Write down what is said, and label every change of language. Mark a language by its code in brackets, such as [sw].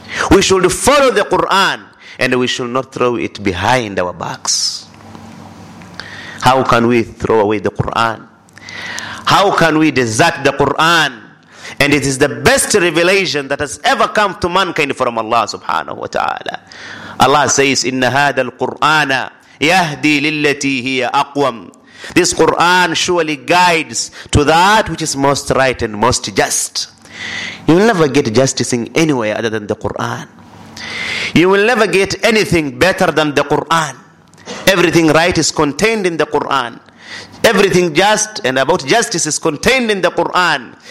[en] We should follow the Quran, and we should not throw it behind our backs. How can we throw away the Quran? How can we desert the Quran? And it is the best revelation that has ever come to mankind from Allah subhanahu wa ta'ala. [ar] Allah says, إِنَّ هَذَا الْقُرْآنَ يَهْدِي لِلَّتِي هِيَ أَقْوَمْ. [en] This Quran surely guides to that which is most right and most just. You will never get justice in anywhere other than the Quran. You will never get anything better than the Quran. Everything right is contained in the Quran. Everything just and about justice is contained in the Quran.